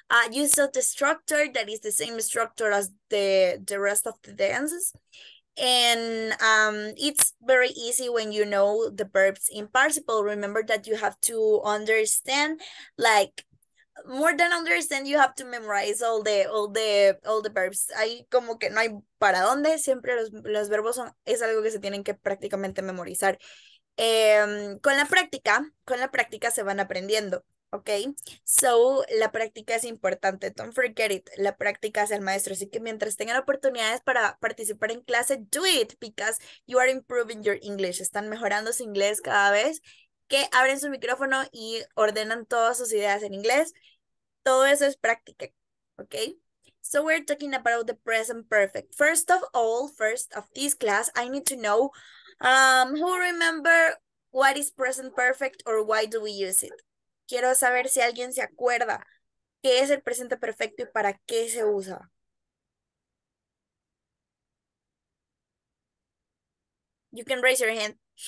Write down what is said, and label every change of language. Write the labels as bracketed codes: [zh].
[en] You saw the structure that is the same structure as the rest of the tenses. And it's very easy when you know the verbs in participle. Remember that you have to understand, like, more than understand, you have to memorize all the verbs. [es] Ahí como que no hay para dónde, siempre los verbos son, es algo que se tienen que prácticamente memorizar. Con la práctica se van aprendiendo, okay? So, la práctica es importante, [en] don't forget it. [es] La práctica es el maestro, así que mientras tengan oportunidades para participar en clase, [en] do it, because you are improving your English. [es] Están mejorando su inglés cada vez que abren su micrófono y ordenan todas sus ideas en inglés. Todo eso es práctica, [en] okay? So we're talking about the present perfect. First of this class, I need to know who remember what is present perfect or why do we use it? [es] Quiero saber si alguien se acuerda qué es el presente perfecto y para qué se usa. [en] You can raise your hand.